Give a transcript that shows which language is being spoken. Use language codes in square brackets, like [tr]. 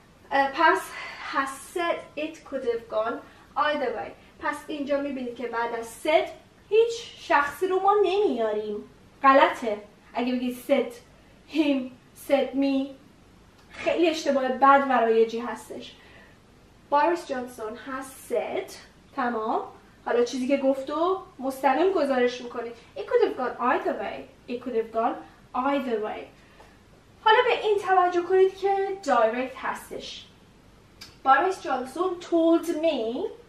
[en] پس has said it could have gone either way. [fa] پس اینجا میبینید که بعد از said هیچ شخصی رو ما نمیاریم، غلطه. اگه بگید [en] said him، said me، [fa] خیلی اشتباه بد و رایجی هستش. [en] Boris Johnson has said، [fa] تمام، حالا چیزی که گفتو مستقیم گزارش میکنی. [en] It could have gone either way. It could have gone either way. [fa] حالا به این توجه کنید که direct هستش. [en] Boris Johnson told me،